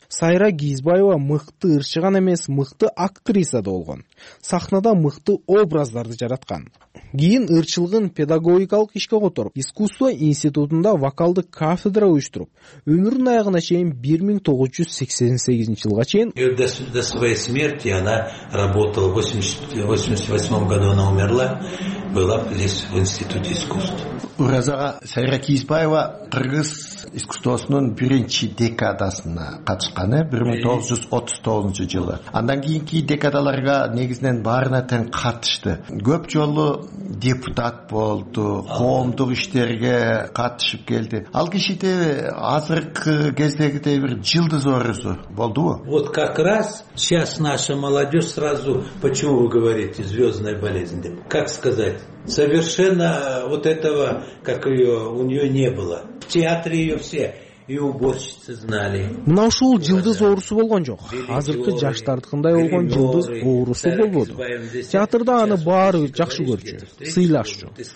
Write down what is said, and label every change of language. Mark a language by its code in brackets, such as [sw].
[ky] Сайра Кизбаева мыкты ырчы гана эмес, мыкты актриса да болгон. Сахнада мыкты образдарды жараткан. Кийин ырчылыгын педагогикалык ишке которуп, искусство институтунда вокалдык кафедра уюштуруп, өмүрүн аягына чейин 1988-жылга чейин [ru] до своей смерти она работала. В 88-м году она умерла. Была в институте искусств. [ky] Уразага Сайра Кизбаева кыргыз искусствосунун биринчи декадасына катышканы 1939-жылы. Андан кийинки декадаларга негизинен баарына тең катышты. Көп жолу депутат болду, коомдук иштерге катышып келди. Ал кишиде азыркы кездегидей бир жылдыз образы болдубу? [ru] Вот как раз сейчас наша молодежь сразу, почему вы говорите, звездная болезнь деп. Как сказать? Совершенно вот этого, как ее, у нее не было. В театре ее все, и уборщицы знали. [ky] Мына ушул жылдыз оорусу болгон жок. Азыркы жаштардыкындай болгон жылдыз оорусу болбоду. Театрда аны баары жакшы көрчү, сыйлашчу.